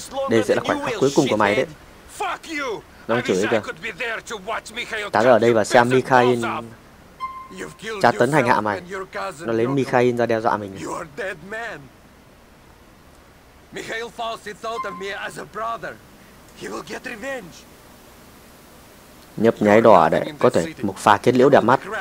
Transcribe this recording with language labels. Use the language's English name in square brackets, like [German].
[Vietnamese] Đây sẽ là khoảnh khắc cuối cùng của mày đấy. [English] Fuck you. [Vietnamese] Nó đang chửi kìa. Tao ở đây và xem Mikhail tra tấn hành hạ mày. Nó lấy Mikhail ra đe dọa mình. [English] Mikhail falsely thought of me as a brother. He will get revenge. [Vietnamese] Nhấp nháy đỏ đấy, có thể một pha kết liễu đẹp mắt.